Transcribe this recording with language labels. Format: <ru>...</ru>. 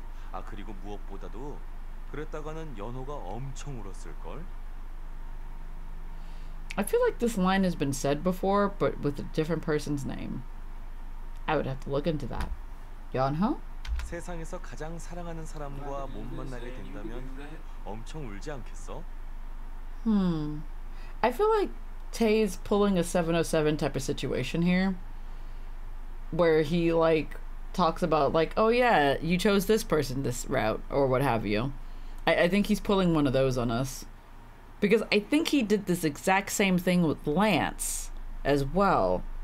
<ko>아 그리고 무엇보다도 그랬다가는 연호가 엄청 울었을 걸.</ko> <en>I feel like this line has been said before, but with a different person's name. I would have to look into that. Yeonho?</en> <ko>세상에서 가장 사랑하는 사람과 못 만나게 된다면 엄청 울지 않겠어?</ko> <en>I feel like Tae is pulling a 707 type of situation here, where he like talks about like, oh yeah, you chose this person this route or what have you. I think he's pulling one of those on us. Because I think he did this exact same thing with Lance as well.</en>